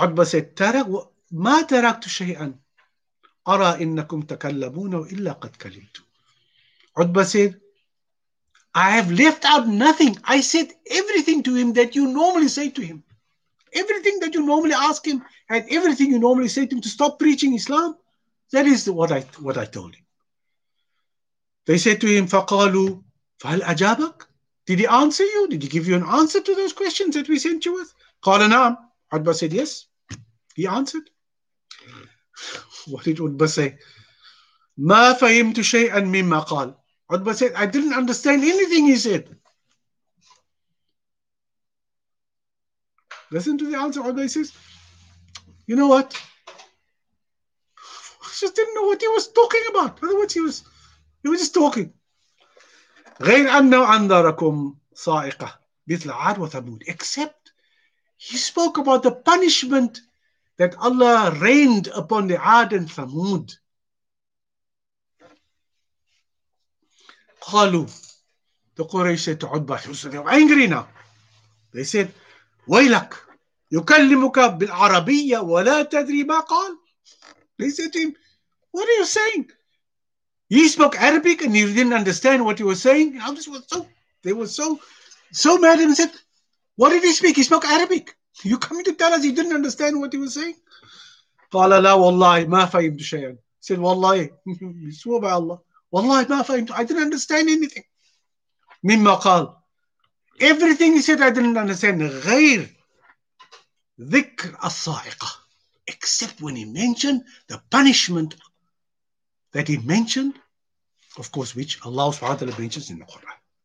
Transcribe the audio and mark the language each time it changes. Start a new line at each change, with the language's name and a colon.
English: Utbah said,
Arabic: مَا تَرَكْتُ شَيْئًا. أَرَى إِنَّكُمْ تَكَلَّمُونَ وَإِلَّا قَدْ كَلِمْتُ.
English: Utbah said, I have left out nothing. I said everything to him that you normally say to him. Everything that you normally ask him and everything you normally say to him to stop preaching Islam. That is what I told him. They said to him,
Arabic: فَقَالُوا. فَهَلْ أَجَابَكَ.
English: Did he answer you? Did he give you an answer to those questions that we sent you with?
Arabic: قَالَ نَعَمْ.
English: Utbah said yes. He answered. What did Utbah say?
Arabic: مَا فَهِمْتُ شَيْئًا مِمَّا قَالْ.
English: Utbah said, I didn't understand anything he said. Listen to the answer. Utbah says, you know what? I just didn't know what he was talking about. In other words, he was just talking.
Arabic: غير أنه أنذركم صائقة مثل عاد وثمود.
English: Except he spoke about the punishment that Allah rained upon the عاد and ثمود.
Arabic: قالوا.
English: The Quraysh said to Utbah, they were angry now. They said,
Arabic: ويلك يكلمك بالعربية ولا تدري ما قال.
English: They said to him, what are you saying? He spoke Arabic and he didn't understand what he was saying. They were so mad and said, what did he speak? He spoke Arabic. You coming to tell us he didn't understand what he was saying?
Arabic: قال لا والله ما فهمت شيئا.
English: Said, والله, he swore by Allah,
Arabic: والله ما فهمت.
English: I didn't understand anything.
Arabic: مما قال.
English: Everything he said, I didn't understand.
Arabic: غير ذكر الصاعقة
English: except when he mentioned the punishment that he mentioned, of course, which Allah subhanahu wa ta'ala mentions in the Quran.